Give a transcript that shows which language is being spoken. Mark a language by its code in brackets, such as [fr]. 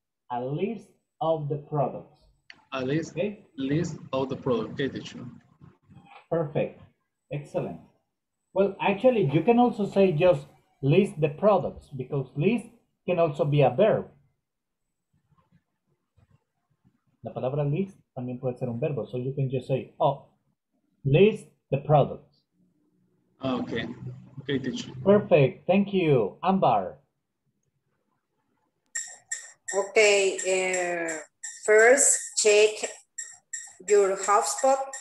[en] A list of the products. A list, okay. List of the product. Okay, teacher. Perfect. Excellent. Well, actually, you can also say just list the products because list can also be a verb. [es] La palabra list también puede ser un verbo. [en] So you can just say, oh, list the products. Okay, teacher. Perfect, thank you. Ambar. Okay, first check your hotspot.